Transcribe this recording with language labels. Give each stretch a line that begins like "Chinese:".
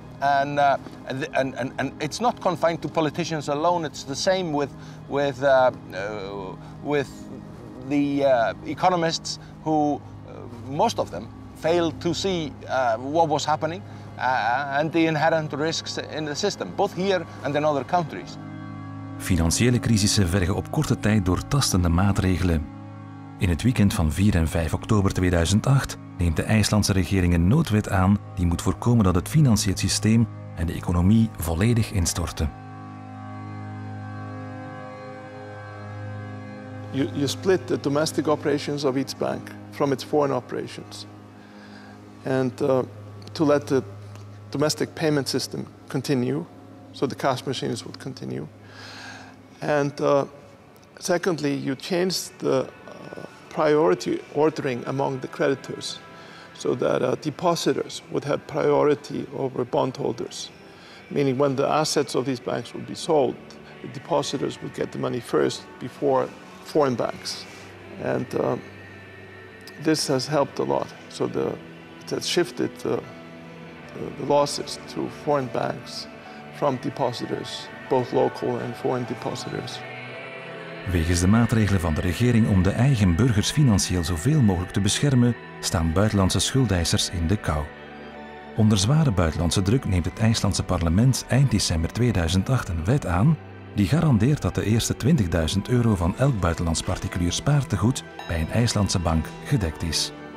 English: And it's not confined to politicians alone. It's the same with the economists who, most of them, failed to see what was happening and the inherent risks in the system, both here and in other countries.
Dutch: Financiële crisissen vergen op korte tijd doortastende maatregelen. In het weekend van 4 en 5 oktober 2008 neemt de IJslandse regering een noodwet aan die moet voorkomen dat het financiële systeem en de economie volledig instorten.
English: You split the domestic operations of each bank from its foreign operations. And to let the domestic payment system continue, so the cash machines would continue. And secondly, you change the priority ordering among the creditors, so that depositors would have priority over bondholders, meaning when the assets of these banks would be sold, the depositors would get the money first before foreign banks. And this has helped a lot. So it has shifted the losses to foreign banks from depositors, both local and foreign depositors.
Dutch: Wegens de maatregelen van de regering om de eigen burgers financieel zoveel mogelijk te beschermen, staan buitenlandse schuldeisers in de kou. Onder zware buitenlandse druk neemt het IJslandse parlement eind december 2008 een wet aan die garandeert dat de eerste 20.000 euro van elk buitenlands particulier spaartegoed bij een IJslandse bank gedekt is.